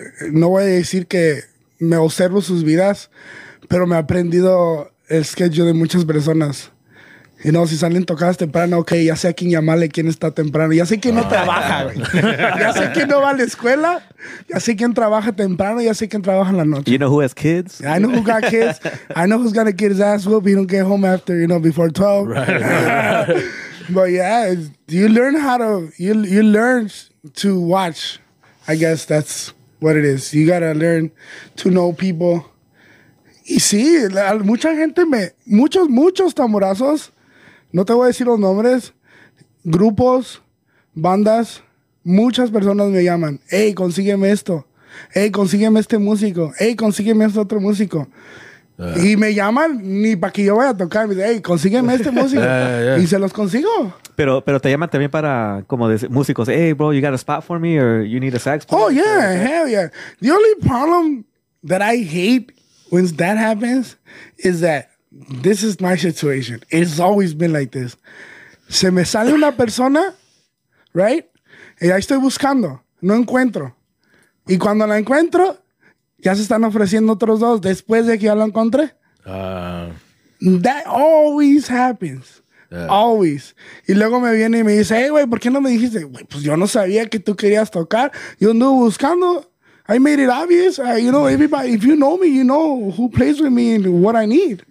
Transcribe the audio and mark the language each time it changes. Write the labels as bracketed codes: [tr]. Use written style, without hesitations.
[es] No voy a decir que me observo sus vidas, pero me he aprendido el schedule de muchas personas. Y [en] you know, [es] si salen tocadas temprano, ok, ya sé a quién llamarle, quién está temprano. Ya sé quién no trabaja, güey. Ya sé quién no va a la escuela. Ya sé quién trabaja temprano, ya sé quién trabaja en la noche. [en] You know who has kids? I know who got kids. I know who's gonna get his ass whooped if he don't get home after, you know, before 12. Right. But yeah, you learn to watch. I guess that's what it is. You gotta learn to know people. [es] Y sí, mucha gente muchos tamborazos. No te voy a decir los nombres, grupos, bandas, muchas personas me llaman. Hey, consígueme esto. Hey, consígueme este músico. Hey, consígueme este otro músico. Y me llaman ni para que yo vaya a tocar. Me dicen, hey, consígueme este músico. Y se los consigo. Pero te llaman también para, como de músicos. [en] Hey, bro, you got a spot for me or you need a sax player? Oh, yeah, hell yeah. The only problem that I hate when that happens is that this is my situation. It's always been like this. [es] Se me sale una persona, [en] right? [es] Y ahí estoy buscando. No encuentro. Y cuando la encuentro, ya se están ofreciendo otros dos después de que ya la encontré. [en] That always happens. Yeah. Always. [es] Y luego me viene y me dice, hey, güey, ¿por qué no me dijiste? Wey, pues yo no sabía que tú querías tocar. Yo ando buscando. [en] I made it obvious. You know, everybody, if you know me, you know who plays with me and what I need.